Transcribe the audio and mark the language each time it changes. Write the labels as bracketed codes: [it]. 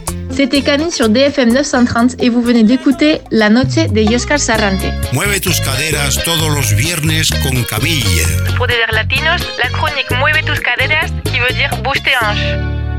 [fr] c'était Camille sur DFM 930 et vous venez d'écouter La Noche de Óscar Sarante. [es] Mueve tus caderas todos los viernes con Camille. [fr] Pour des airs latinos, la chronique Mueve tus caderas qui veut dire bouge tes hanches.